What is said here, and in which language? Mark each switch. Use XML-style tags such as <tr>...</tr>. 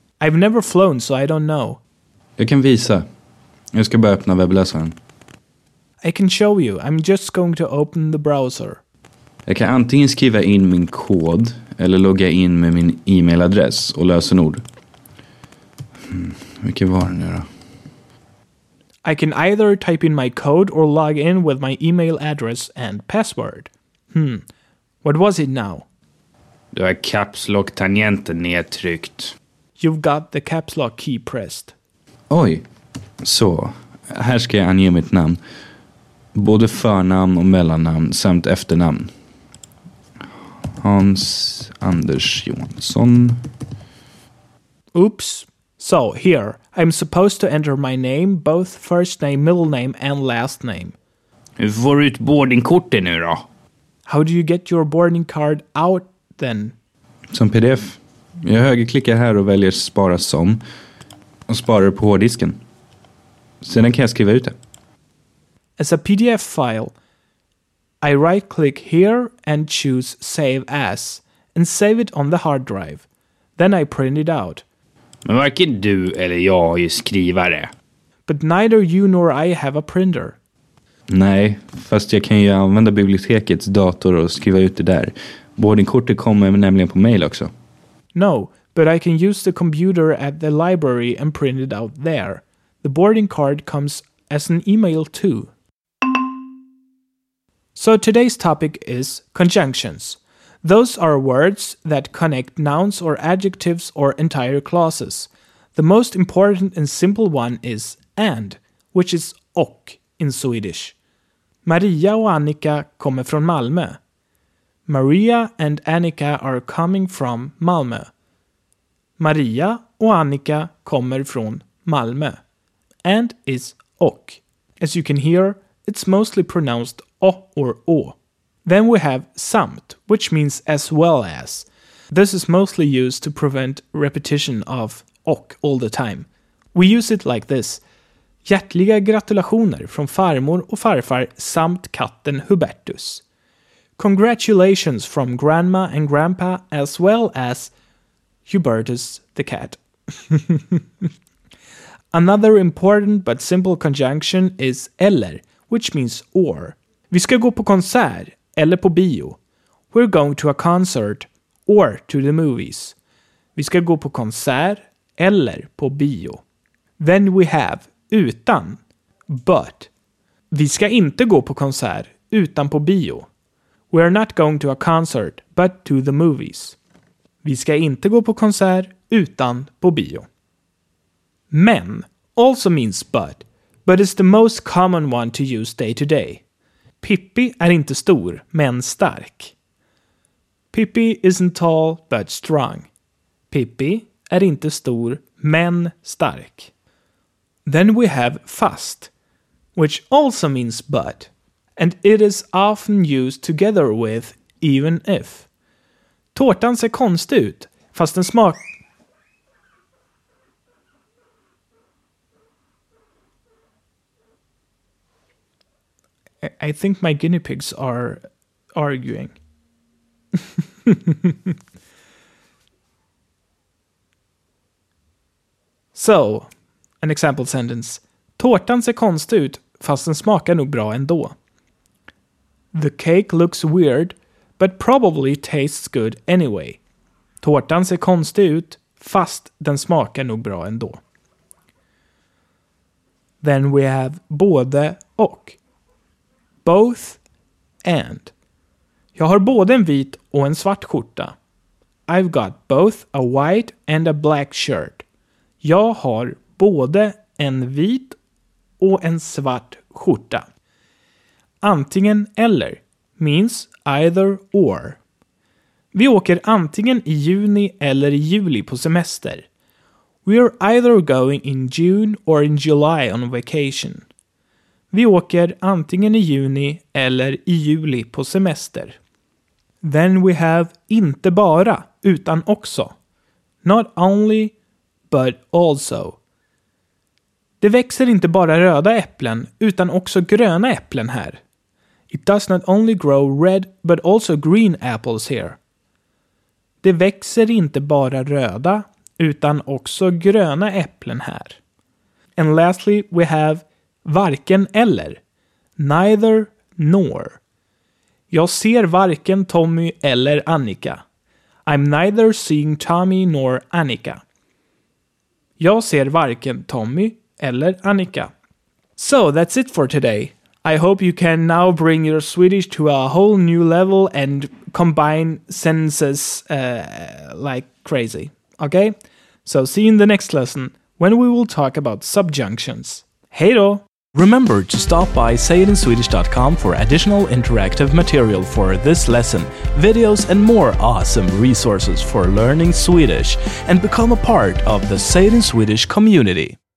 <en>I've never flown so I don't know.</en> <sv>Jag kan visa. Jag ska bara öppna webbläsaren.</sv> <en>I can show you. I'm just going to open the browser.</en> <sv>Jag kan antingen skriva in min kod eller logga in med min e-mailadress och lösenord. Vilket var det nu då?</sv> <en>I can either type in my code or log in with my email address and password. What was it now?</en> <sv>Du har caps lock tangenten nedtryckt.</sv> <en>You've got the caps lock key pressed.</en> <sv>Oj, så här ska jag ange mitt namn. Både förnamn och mellannamn samt efternamn. Hans Anders Johansson.</sv> <en>Oops. So, here, I'm supposed to enter my name, both first name, middle name, and last name.</en> <sv>Hur får du ut boardingkortet nu då?</sv> <en>How do you get your boarding card out, then?</en> <sv>Som pdf. Jag högerklickar här och väljer spara som. Och sparar på hårddisken. Sedan kan jag skriva ut det.</sv> <en>As a PDF file, I right-click here and choose save as, and save it on the hard drive. Then I print it out.</en> <sv>Men varken du eller jag är ju skrivare.</sv> <en>But neither you nor I have a printer.</en> <sv>Nej, fast jag kan ju använda bibliotekets dator och skriva ut det där. Boardingkortet kommer nämligen på mail också.</sv> <en>No, but I can use the computer at the library and print it out there. The boarding card comes as an email too. So today's topic is conjunctions. Those are words that connect nouns or adjectives or entire clauses. The most important and simple one is and, which is och in Swedish.</en> <sv>Maria och Annika kommer från Malmö.</sv> <en>Maria and Annika are coming from Malmö.</en> <sv>Maria och Annika kommer från Malmö.</sv> <en>And is och. As you can hear, it's mostly pronounced å or å. Then we have samt, which means as well as. This is mostly used to prevent repetition of och all the time. We use it like this.</en> <sv>Hjärtliga gratulationer från farmor och farfar samt katten Hubertus.</sv> <en>Congratulations from grandma and grandpa as well as Hubertus the cat. Another important but simple conjunction is eller, which means or.</en> <sv>Vi ska gå på konsert. Eller på bio.</sv> <en>We're going to a concert or to the movies.</en> <sv>Vi ska gå på konsert eller på bio.</sv> <en>Then we have utan, but.</en> <sv>Vi ska inte gå på konsert utan på bio.</sv> <en>We're not going to a concert but to the movies.</en> <sv>Vi ska inte gå på konsert utan på bio.</sv> <en>Men also means but is the most common one to use day to day.</en> <sv>Pippi är inte stor, men stark.</sv> <en>Pippi isn't tall, but strong.</en> <sv>Pippi är inte stor, men stark.</sv> <en>Then we have fast, which also means but. and it is often used together with even if.</en> <sv>Tårtan ser konstig ut, fast den smak...</sv> <en>I think my guinea pigs are arguing. So, an example sentence.</en> <sv>Tårtan ser konstig ut, fast den smakar nog bra ändå.</sv> <en>The cake looks weird, but probably tastes good anyway.</en> <sv>Tårtan ser konstig ut, fast den smakar nog bra ändå.</sv> <en>Then we have både och. Both and.</en> <sv>Jag har både en vit och en svart skjorta.</sv> <en>I've got both a white and a black shirt.</en> <sv>Jag har både en vit och en svart skjorta.</sv> <en>Antingen eller means either or.</en> <sv>Vi åker antingen i juni eller i juli på semester.</sv> <en>We are either going in June or in July on vacation.</en> <sv>Vi åker antingen i juni eller i juli på semester.</sv> <en>Then we have inte bara, utan också. Not only, but also.</en> <sv>Det växer inte bara röda äpplen, utan också gröna äpplen här.</sv> <en>It does not only grow red, but also green apples here.</en> <sv>Det växer inte bara röda, utan också gröna äpplen här.</sv> <en>And lastly, we have varken eller. Neither nor.</en> <sv>Jag ser varken Tommy eller Annika.</sv> <en>I'm neither seeing Tommy nor Annika.</en> <sv>Jag ser varken Tommy eller Annika.</sv> <en>So that's it for today. I hope you can now bring your Swedish to a whole new level and combine sentences like crazy. Okay? So see you in the next lesson when we will talk about subjunctions.</en> <sv>Hej då!</sv> <en>Remember to stop by sayitinswedish.com for additional interactive material for this lesson, videos and more awesome resources for learning Swedish, and become a part of the Say It in Swedish community.</en>